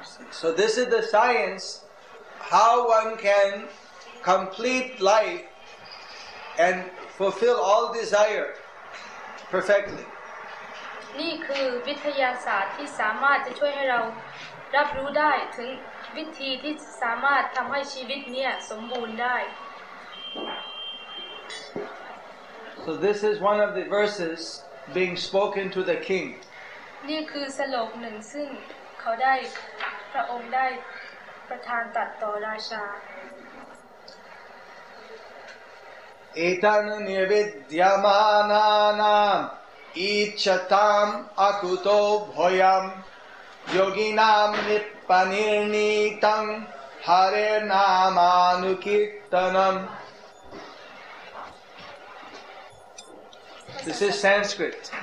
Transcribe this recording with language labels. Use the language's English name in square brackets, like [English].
[English] So this is the science how one can complete life and fulfill all desire perfectly. [Thai] นี่คือวิทยาศาสตร์ที่สามารถจะช่วยให้เรารับรู้ได้ถึงวิธีที่สามารถทำให้ชีวิตเนี่ยสมบูรณ์ได้ [English] So this is one of the verses being spoken to the king. [Thai] นี่คือสโลกหนึ่งซึ่งเขาได้พระองค์ได้ประทานตัดต่อราชา [Sanskrit] เอตานุนิเวดยามานานามอิชตามอคุโตบโยมโยกินามนิปปานิรนิตังฮาเรนามานุคิตตานัม [English] This is Sanskrit.